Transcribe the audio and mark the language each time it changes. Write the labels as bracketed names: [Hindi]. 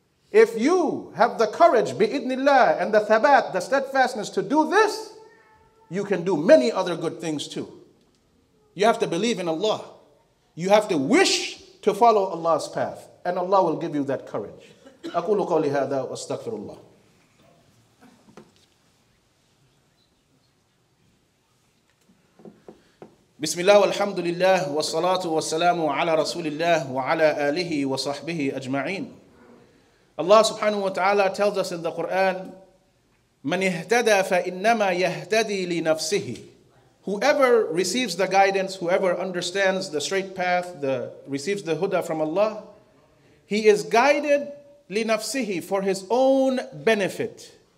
[English] If you have the courage, bi-idhnillah, and the thabat, the steadfastness to do this, you can do many other good things too. You have to believe in Allah. You have to wish to follow Allah's path, and Allah will give you that courage. [Arabic] أقول قولي هذا واستغفر الله. بسم الله والحمد لله والصلاة والسلام على رسول الله وعلى آله وصحبه أجمعين. [English] Allah subhanahu wa ta'ala tells us in the Quran, [Arabic] من اهتدى فإنما يهتدي لنفسه. [English] Whoever receives the guidance, whoever understands the straight path, receives the huda from Allah, he is guided لنفسه, for his own benefit.